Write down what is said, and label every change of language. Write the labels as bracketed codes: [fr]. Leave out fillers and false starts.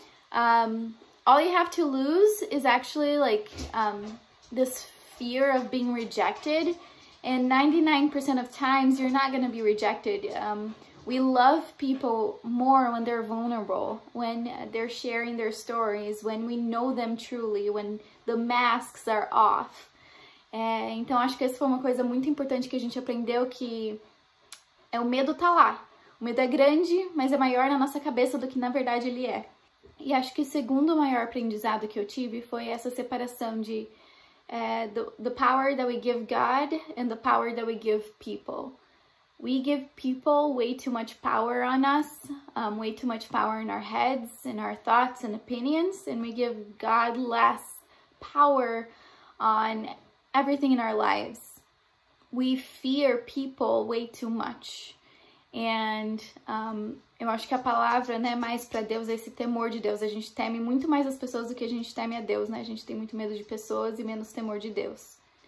[en] All you have to lose is actually like this fear of being rejected, and 99% of times you're not going to be rejected. We love people more when they're vulnerable, when they're sharing their stories, when we know them truly, when the masks are off. [pt] Então, acho que essa foi uma coisa muito importante que a gente aprendeu, que o medo tá lá. O medo é grande, mas é maior na nossa cabeça do que na verdade ele é. E acho que o segundo maior aprendizado que eu tive foi essa separação de [en] the power that we give God and the power that we give people. We give people way too much power on us, way too much power in our heads and our thoughts and opinions, and we give God less power on everything in our lives. We fear people way too much. [pt] And eu acho que a palavra, né, mais para Deus é esse temor de Deus. A gente teme muito mais as pessoas do que a gente teme a Deus, né? A gente tem muito medo de pessoas e menos temor de Deus.